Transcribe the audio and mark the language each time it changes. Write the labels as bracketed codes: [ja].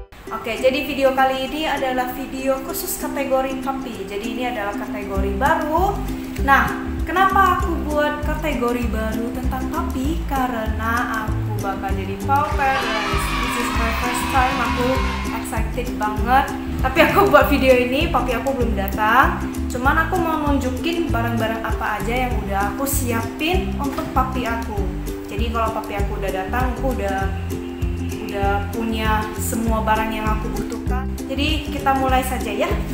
[id] Oke, jadi video kali ini adalah video khusus kategori puppy. Jadi ini adalah kategori baru. Nah, kenapa aku buat kategori baru tentang puppy? Karena aku bakal jadi paw parents. [en] This is my first time, [id] aku excited banget. Tapi aku buat video ini, puppy aku belum datang. Cuman aku mau nunjukin barang-barang apa aja yang udah aku siapin untuk puppy aku. Jadi kalau puppy aku udah datang, aku udah punya semua barang yang aku butuhkan. Jadi kita mulai saja ya.